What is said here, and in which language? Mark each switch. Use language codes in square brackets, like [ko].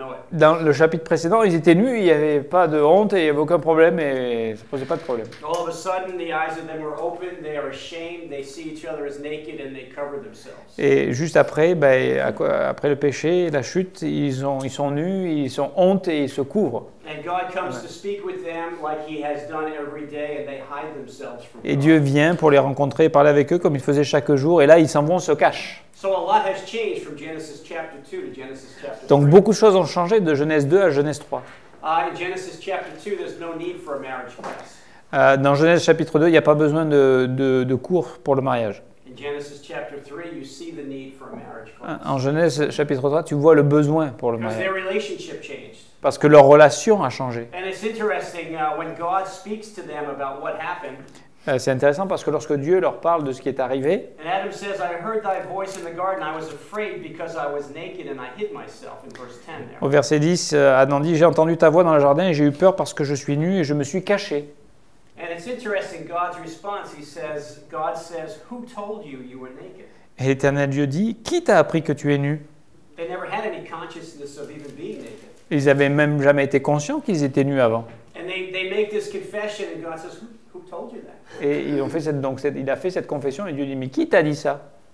[fr] Dans le chapitre précédent, ils étaient nus, il n'y avait pas de honte, et il n'y avait aucun problème, et ça ne posait pas de problème. [en] All of a sudden, the eyes of them were open, they are ashamed, they see each other as naked, and they cover themselves. [fr] Et juste après, après le péché, la chute, ils sont nus, ils sont honte, et ils se couvrent. [en] And God comes to speak with them like he has done every day, and they hide themselves from God. [fr] Et Dieu vient pour les rencontrer et parler avec eux comme il faisait chaque jour, et là, ils s'en vont, se cachent. [en] So a lot has changed from Genesis chapter 2 to Genesis chapter 3. [fr] Donc beaucoup de choses ont changé de Genèse 2 à Genèse 3. [en] In Genesis chapter 2, there's no need for a marriage class. [fr] Dans Genèse chapitre 2, il n'y a pas besoin de cours pour le mariage. [en] In Genesis chapter 3, you see the need for a marriage class. [fr] En Genèse chapitre 3, tu vois le besoin pour le mariage. [en] Because their relationship changed. [fr] Parce que leur relation a changé. [en] And it's interesting when God speaks to them about what happened. [fr] C'est intéressant parce que lorsque Dieu leur parle de ce qui est arrivé, [en] Adam says, I heard thy voice in the garden, I was afraid because I was naked and I hid myself in verse 10 there. [fr] Au verset 10, Adam dit, j'ai entendu ta voix dans le jardin et j'ai eu peur parce que je suis nu et je me suis caché. [en] And it's interesting God's response, he says, God says, who told you you were naked? [fr] Et l'Éternel Dieu dit, qui t'a appris que tu es nu? [en] They never had any consciousness of even being naked. [fr] Ils n'avaient même jamais été conscients qu'ils étaient nus avant. [en] And they make this confession and God says, who told you that? [fr] Et ils ont fait il a fait cette confession et Dieu dit, mais qui t'a dit ça?